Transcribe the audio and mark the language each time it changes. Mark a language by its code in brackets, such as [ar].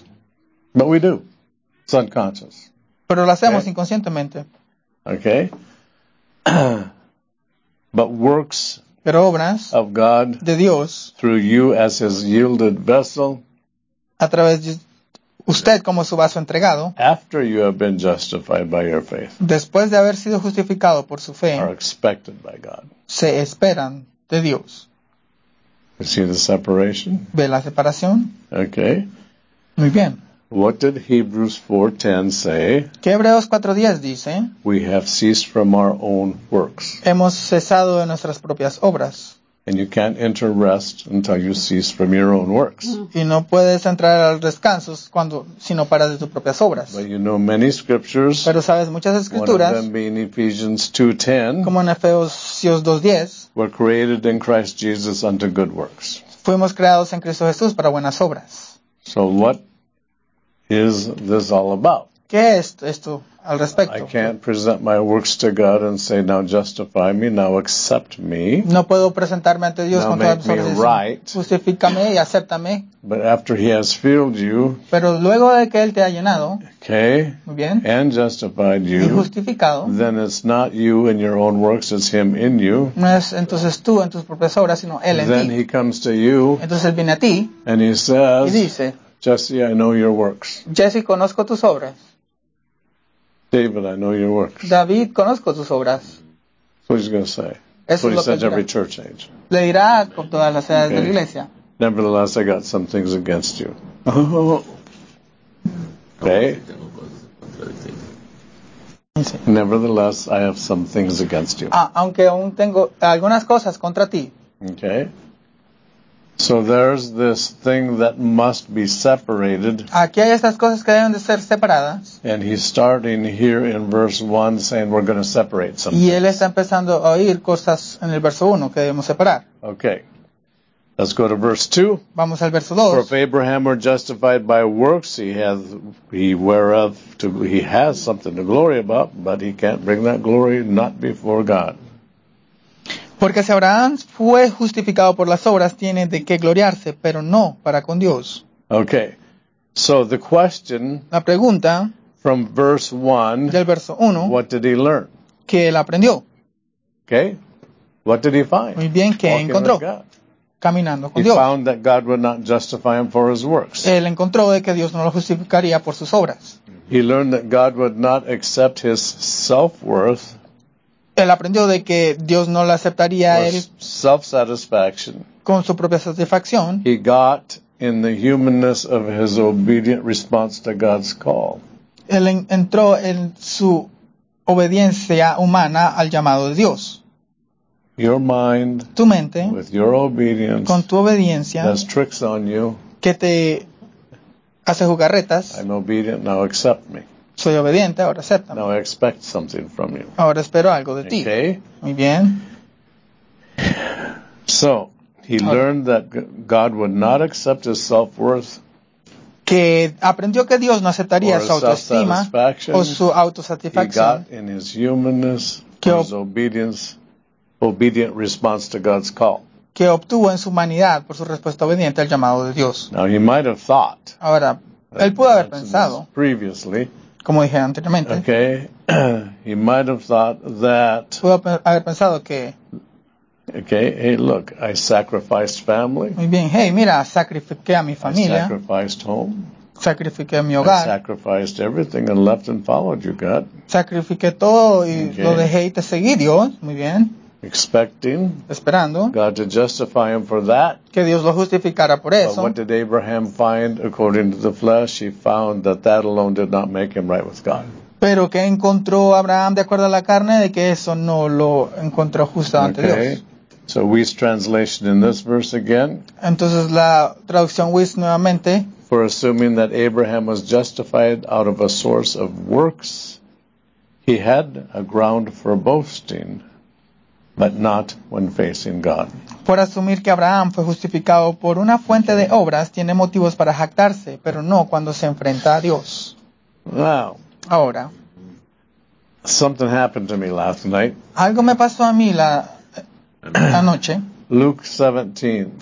[en] Anything. But we do. It's unconscious. [es] Pero lo hacemos inconscientemente. [en] Okay. But works [es] pero obras [en] of God [es] de Dios [en] through you as his yielded vessel [es] a través de usted como su vaso entregado [en] after you have been justified by your faith [es] después de haber sido justificado por su fe [en] are expected by God. [es] Se esperan de Dios. [en] You see the separation? [es] ¿Ve la separación? [en] Okay. [es] Muy bien. [en] What did Hebrews 4:10 say? [es] ¿Qué Hebreos 4:10 dice? [en] We have ceased from our own works. [es] Hemos cesado de nuestras propias obras. [en] And you can't enter rest until you cease from your own works. [es] Y no puedes entrar al descanso cuando si no paras de tus propias obras. [en] But you know many scriptures. [es] Pero sabes muchas escrituras. [en] One of them being Ephesians 2:10. [es] Como en Efesios 2:10. [en] We're created in Christ Jesus unto good works. [es] Fuimos creados en Cristo Jesús para buenas obras. [en] So what is this all about? [es] ¿Qué es esto al respecto? [en] I can't present my works to God and say, now justify me, now accept me. [es] No puedo presentarme ante Dios con todas mis [en] right. [es] Justifícame y acéptame. [en] But after he has filled you. [es] Pero luego de que él te ha llenado. [en] Okay. [es] Muy bien. [en] And justified you. [es] Y justificado. [en] Then it's not you in your own works, it's him in you. [es] No es entonces tú en tus propias obras, sino él en [en] then Then he comes to you. [es] Entonces él viene a ti. [en] And he says. [es] Y dice. [en] Jesse, I know your works. [es] Jesse, conozco tus obras. [en] David, I know your works. [es] David, conozco tus obras. [en] So he's going to say. [es] Eso [en] so he says [es] dirá. [en] Every church age. [es] Le dirá con todas las edades okay. De la iglesia. [en] Nevertheless, I got some things against you. Okay. Nevertheless, I have some things against you. [es] Aunque aún tengo algunas cosas contra ti. [en] Okay. So there's this thing that must be separated. [es] Aquí hay estas cosas que deben de ser separadas. [en] And he's starting here in verse 1 saying we're going to separate some [es] y él está empezando a oír cosas en el verso 1 que debemos separar. [en] Okay. Let's go to verse 2. [es] Vamos al verso 2. [en] For if Abraham were justified by works, he has something to glory about, but he can't bring that glory not before God. [es] Porque si Abraham fue justificado por las obras, tiene de qué gloriarse, pero no para con Dios. [en] Okay. So the question. [es] La pregunta. [en] From verse 1. [es] Del verso 1. [en] What did he learn? [es] ¿Qué él aprendió? [en] Okay. What did he find? [es] Muy bien, ¿qué [en] walking [es] encontró? Caminando con [en] he [es] Dios. [en] He found that God would not justify him for his works. [es] Él encontró de que Dios no lo justificaría por sus obras. [en] He learned that God would not accept his self-worth. [es] Él aprendió de que Dios no lo aceptaría él [en] self-satisfaction, [es] con su propia satisfacción. [en] He got in the humanness of his obedient response to God's call. [es] Él entró en su obediencia humana al llamado de Dios. [en] Your mind, [es] tu mente, [en] with your obedience, [es] con tu obediencia, [en] has tricks on you, [es] que te hace jugarretas. [en] I'm obedient, now accept me. [es] Soy obediente, ahora acéptame. [en] Now I expect something from you. [es] Ahora espero algo de [en] okay. [es] Ti. Muy bien. [en] So, he okay. Learned that God would not accept his self-worth. [es] Que aprendió que Dios no aceptaría su autoestima o su autosatisfacción. [en] He got in his humanness, his obedience, obedient response to God's call. [es] Que obtuvo en su humanidad por su respuesta obediente al llamado de Dios. [en] Now he might have thought. [es] Ahora, él pudo haber pensado. [en] Previously. [es] Como dije anteriormente. [en] Okay. He might have thought that. [es] Pudo haber pensado que. [en] Okay. Hey, look. I sacrificed family. [es] Muy bien. Hey, mira. Sacrifiqué a mi familia. [en] I sacrificed home. [es] Sacrifiqué mi hogar. [en] I sacrificed everything and left and followed you, God. [es] Sacrifiqué todo y okay. Lo dejé y te seguí, Dios. Muy bien. [en] expecting [es] esperando [en] God to justify him for that. [es] Que Dios lo justificara por eso. [en] But what did Abraham find according to the flesh? He found that that alone did not make him right with God. [es] Pero ¿qué encontró Abraham de acuerdo a la carne? De que eso no lo encontró justo ante [en] okay. [es] Dios. [en] So Weiss translation in this verse again. [es] Entonces la traducción Weiss nuevamente. [en] For assuming that Abraham was justified out of a source of works, he had a ground for boasting, but not when facing God. [es] Por asumir que Abraham fue justificado por una fuente de obras, tiene motivos para jactarse, pero no cuando se enfrenta a Dios. [en] Wow. [es] Ahora. [en] Something happened to me last night. [es] Algo me pasó a mí la anoche. [en] Luke 17.